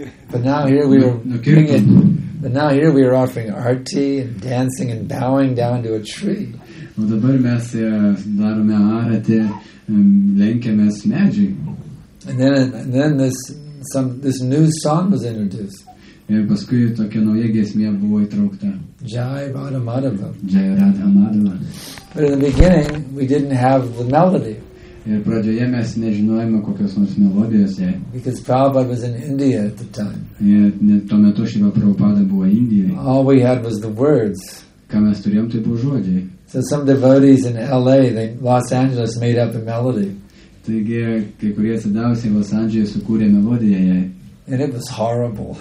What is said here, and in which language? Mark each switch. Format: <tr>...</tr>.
<en>But now here we are bringing it, but now here we are offering our tea and dancing and bowing down to a tree.</en> <lt>O dabar mes darome aratį, lenkiamės medžiui.</lt> <en>And then this new song was introduced.</en> <lt>Ir paskui tokia nauja giesmė buvo įtraukta.</lt> <sa>Jai Radha Madhava. Jai Radha Madhava.</sa> <en>But in the beginning we didn't have the melody.</en> <lt>Ir pradžioje mes nežinojome kokios nors melodijos.</lt> <en>Because Prabhupada was in India at the time.</en> <lt>Ir tuo metu Šiva Prabhupada buvo Indijoje.</lt> <en>All we had was the words.</en> <lt>Ką mes turėjom, tai buvo žodžiai.</lt> <en>So some devotees in LA, they, Los Angeles, made up a melody.</en> <lt>Taigi, kai kurie atsidavusiai Los Andžiai sukūrė melodiją jai.</lt> <en>And it was horrible.</en>